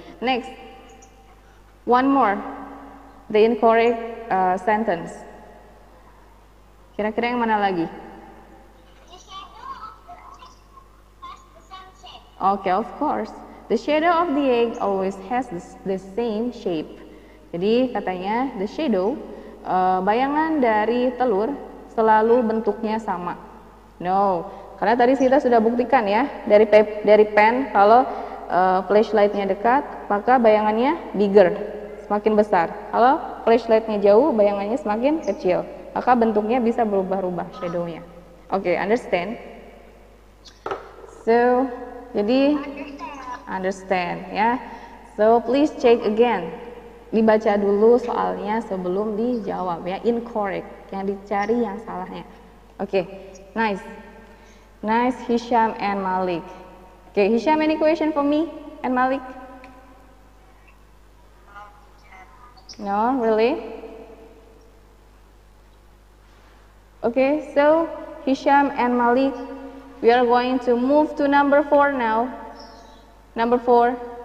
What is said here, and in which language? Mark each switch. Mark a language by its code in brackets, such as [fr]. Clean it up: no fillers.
[en] Next, one more. The incorrect sentence. Kira-kira yang mana lagi? The shadow of the sunset has the same shape. Okay, of course. The shadow of the egg always has the same shape. [id] Jadi katanya the shadow, bayangan dari telur selalu bentuknya sama. No, karena tadi kita sudah buktikan ya dari pen kalau flashlightnya dekat maka bayangannya bigger, semakin besar. Kalau flashlightnya jauh bayangannya semakin kecil, maka bentuknya bisa berubah-ubah shadownya. [en] Oke, okay, understand? So, jadi understand ya. Yeah. So please check again. [id] Dibaca dulu soalnya sebelum dijawab ya, incorrect, yang dicari yang salahnya. [en] Oke, okay. Nice. Nice, Hisham and Malik. Oke, okay, Hisham, any question for me and Malik? No, really? Oke, okay, so Hisham and Malik, we are going to move to number 4 now. Number 4.